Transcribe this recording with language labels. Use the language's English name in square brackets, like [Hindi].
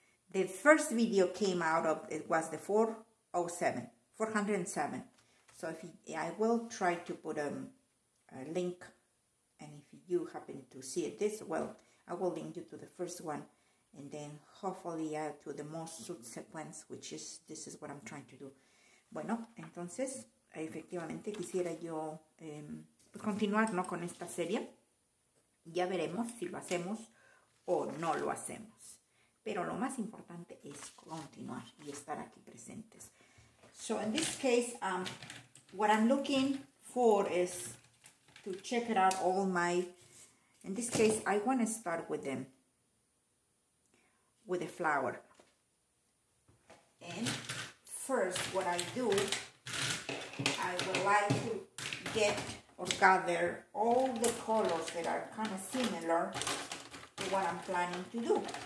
[English] The first video came out of it was the 407. So if I will try to put a link, and if you happen to see it this well, I will link you to the first one, and then hopefully to the most subsequent, which is this is what I'm trying to do. [Spanish] Bueno, entonces efectivamente quisiera yo continuar, ¿no?, con esta serie. Ya veremos si lo hacemos o no lo hacemos, pero lo más importante es continuar y estar aquí presentes. [English] So in this case, what I'm looking for is to check it out all my, in this case I want to start with them, with a flower. And first what I do, I would like to get or gather all the colors that are kind of similar to what I'm planning to do.